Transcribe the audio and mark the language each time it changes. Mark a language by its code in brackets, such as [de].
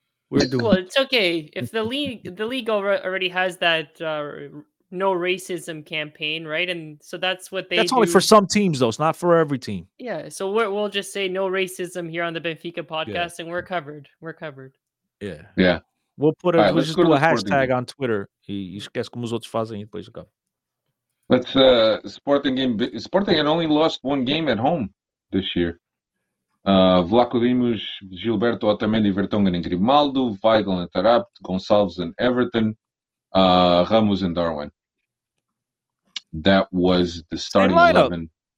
[en] Well, it's okay. If the league already has that no racism campaign, right? And so that's what they That's do. Only for some teams, though. It's not for every team. Yeah, so we'll just say no racism here on the Benfica podcast, and we're covered. We're covered. Yeah. Yeah. We'll put a, right, we'll just do a hashtag on Twitter. [pt] Esquece como os outros fazem e depois acaba. [en] Let's Sporting game. Sporting had only lost one game at home this year. Vlaco Dimos, Gilberto Otamendi, Vertonghen and Grimaldo, Weigl and Tarapt, Gonçalves and Everton. Ramos and Darwin. That was the starting 11.